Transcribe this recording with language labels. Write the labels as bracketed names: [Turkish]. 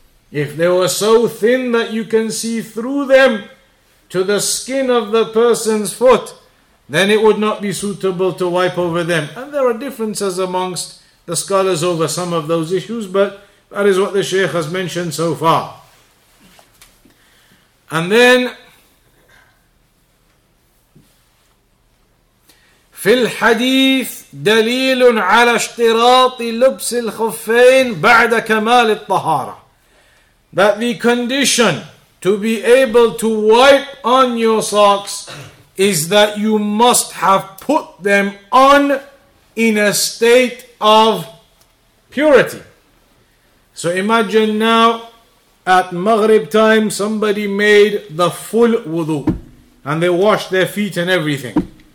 [English] If they were so thin that you can see through them to the skin of the person's foot, then it would not be suitable to wipe over them. And there are differences amongst the scholars over some of those issues, but that is what the Shaykh has mentioned so far. And then, [Arabic] في الحديث دليل على اشتراط لبس الخفين بعد كمال الطهارة. [English] That the condition to be able to wipe on your socks is that you must have put them on in a state of purity. So imagine now at Maghrib time somebody made the full wudu and they washed their feet and everything.